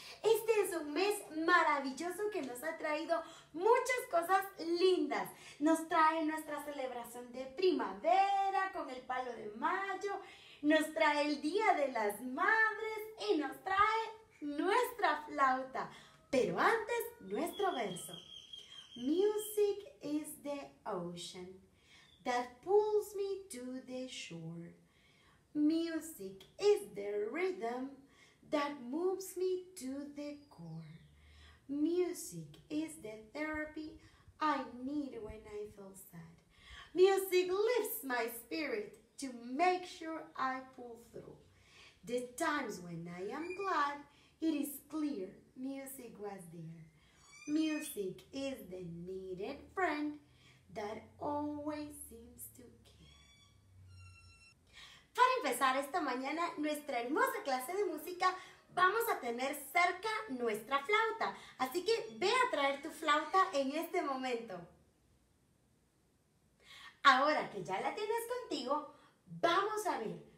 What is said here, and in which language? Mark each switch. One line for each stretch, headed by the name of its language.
Spanish: Este es un mes maravilloso que nos ha traído muchas cosas lindas. Nos trae nuestra celebración de primavera con el palo de mayo, nos trae el Día de las Madres y nos trae nuestra flauta. Pero antes, nuestro verso.
English: Music is the ocean that pulls me to the shore. Music is the rhythm that moves me to the core. Music is the therapy I need when I feel sad. Music lifts my spirit to make sure I pull through. The times when I am glad, it is clear music was there. Music is the needed friend that always seems to care.
Spanish: Para empezar esta mañana nuestra hermosa clase de música, vamos a tener cerca nuestra flauta. Así que ve a traer tu flauta en este momento. Ahora que ya la tienes contigo, vamos a ver.